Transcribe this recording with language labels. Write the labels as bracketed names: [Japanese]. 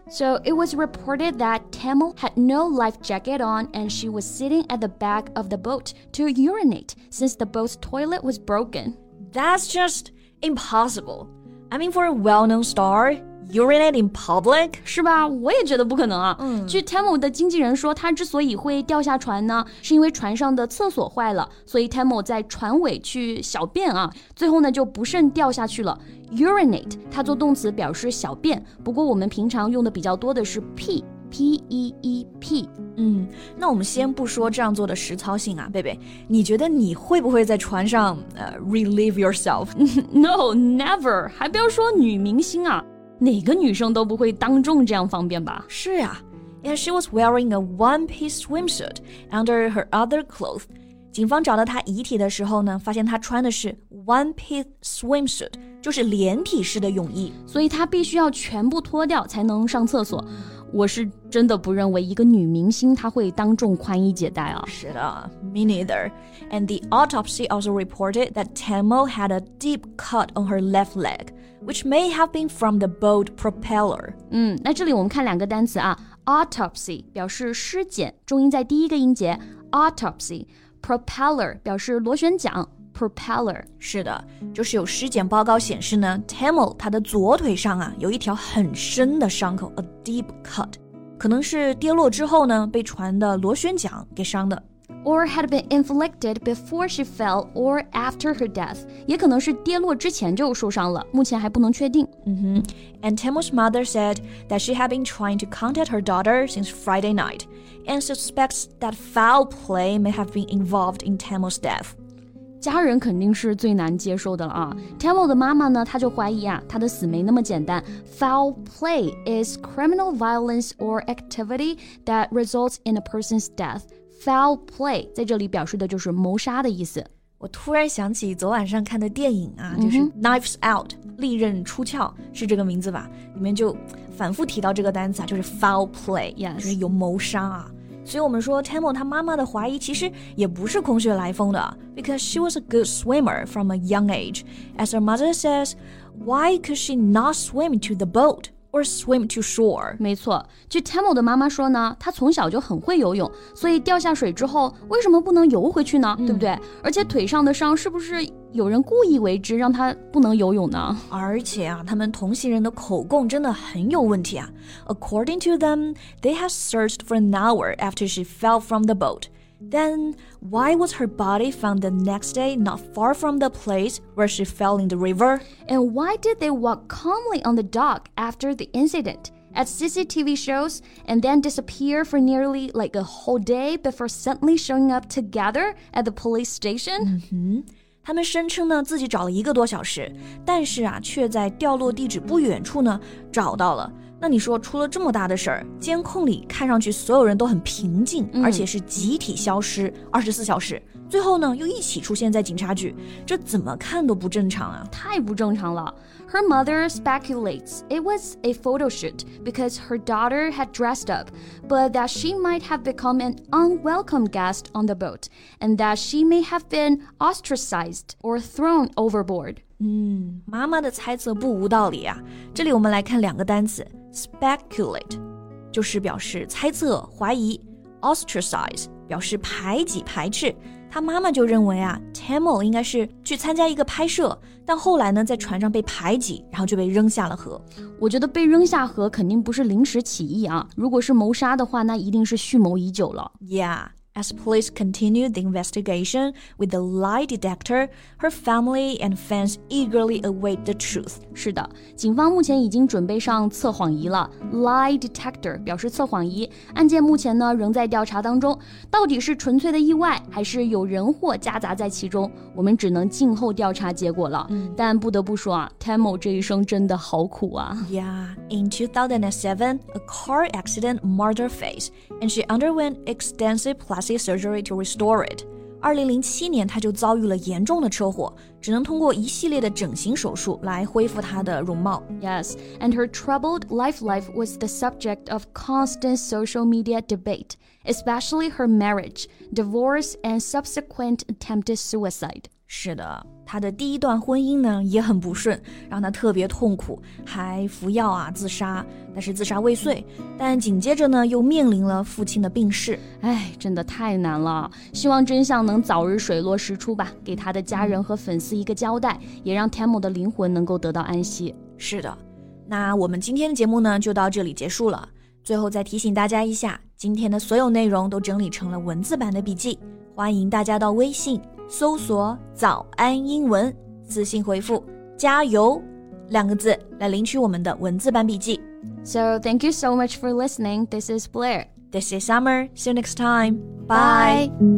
[English] So it was reported that Tamil had no life jacket on and she was sitting at the back of the boat to urinate since the boat's toilet was broken. That's just... Impossible. I mean, for a well-known star, urinate in public? [Chinese] 是吧？我也觉得不可能啊。据 Tamil 的经纪人说，他之所以会掉下船呢，是因为船上的厕所坏了，所以 Tamil 在船尾去小便啊，最后呢就不慎掉下去了。 Urinate, 它做动词表示小便，不过我们平常用的比较多的是 pee, P-E-E-P。那我们先不说这样做的实操性啊，贝贝，你觉得你会不会在船上 [English] relieve yourself? No, never. [Chinese] 还不要说女明星啊，哪个女生都不会当众这样方便吧？是呀、啊、 [English] And she was wearing a one-piece swimsuit under her other clothes. [Chinese] 警方找到她遗体的时候呢，发现她穿的是 one-piece swimsuit, 就是连体式的泳衣。所以她必须要全部脱掉才能上厕所。我是真的不认为一个女明星她会当众宽衣解带啊。是的 [English] ,me neither. And the autopsy also reported that Tamil had a deep cut on her left leg, which may have been from the boat propeller. [Chinese] 那这里我们看两个单词啊。Autopsy 表示尸检，重音在第一个音节 ,autopsy, propeller 表示螺旋桨。 [English] Propeller. [Chinese] 是的，就是有尸检报告显示呢 ,Tamil 他的左腿上啊有一条很深的伤口 , [English] a deep cut, [Chinese] 可能是跌落之后呢被船的螺旋桨给伤的。 [English] or had been inflicted before she fell or after her death. [Chinese] 也可能是跌落之前就受伤了，目前还不能确定。 Mm-hmm. [English] And Temu's mother said that she had been trying to contact her daughter since Friday night, and suspects that foul play may have been involved in Temu's death. [Chinese] 家人肯定是最难接受的了啊。Temu 的妈妈呢，她就怀疑啊，她的死没那么简单。 [English] Foul play is criminal violence or activity that results in a person's death. [Chinese] Foul play 在这里表示的就是谋杀的意思。我突然想起昨晚上看的电影啊，就是 Knives Out， 利刃出鞘，是这个名字吧？里面就反复提到这个单词啊，就是 foul play， [English] yes， [Chinese] 就是有谋杀啊。所以我们说 Temu 她妈妈的怀疑其实也不是空穴来风的 [English] because she was a good swimmer from a young age. As her mother says, why could she not swim to the boat or swim to shore? [Chinese] 没错，据 Temu 的妈妈说呢，她从小就很会游泳，所以掉下水之后为什么不能游回去呢？对不对？而且腿上的伤是不是有人故意为之让她不能游泳呢？而且啊，他们同行人的口供真的很有问题啊。 [English] According to them, they had searched for an hour after she fell from the boat. Then, why was her body found the next day not far from the place where she fell in the river? And why did they walk calmly on the dock after the incident? At CCTV shows and then disappear for nearly like a whole day before suddenly showing up together at the police station? Mm-hmm. [Chinese] 他们声称呢自己找了一个多小时，但是啊却在掉落地址不远处呢找到了。那你说出了这么大的事儿，监控里看上去所有人都很平静，而且是集体消失24小时。最后呢又一起出现在警察局，这怎么看都不正常啊，太不正常了。 [English] Her mother speculates it was a photo shoot because her daughter had dressed up, but that she might have become an unwelcome guest on the boat and that she may have been ostracized or thrown overboard. [Chinese] 妈妈的猜测不无道理啊。这里我们来看两个单词， speculate 就是表示猜测怀疑， ostracize 表示排挤排斥。他妈妈就认为啊 ，Temu 应该是去参加一个拍摄，但后来呢，在船上被排挤，然后就被扔下了河。我觉得被扔下河肯定不是临时起意啊，如果是谋杀的话，那一定是蓄谋已久了。 [English] Yeah, as police continued the investigation with the lie detector, her family and fans eagerly await the truth. [Chinese] 是的，警方目前已经准备上测谎仪了 ，lie detector 表示测谎仪。案件目前呢仍在调查当中，到底是纯粹的意外，还是有人祸夹杂在其中，我们只能静候调查结果了。但不得不说啊 ，Temu 这一生真的好苦啊。 [English] Yeah, in 2007, a car accident marred her face, and she underwent extensive plastic surgery to restore it. [Chinese] 2007年，她就遭遇了严重的车祸。只能通过一系列的整形手术来恢复她的容貌。 [English] Yes, and her troubled life was the subject of constant social media debate, especially her marriage, divorce, and subsequent attempted suicide. [Chinese] 是的，她的第一段婚姻呢也很不顺，让她特别痛苦，还服药啊自杀，但是自杀未遂。但紧接着呢又面临了父亲的病逝。哎，真的太难了，希望真相能早日水落石出吧，给她的家人和粉丝一个交代，也让 Temu 的灵魂能够得到安息。是的，那我们今天的节目呢就到这里结束了。最后再提醒大家一下，今天的所有内容都整理成了文字版的笔记，欢迎大家到微信搜索早安英文，私信回复加油两个字来领取我们的文字版笔记。 [English] So thank you so much for listening. This is Blair. This is Summer. See you next time. Bye.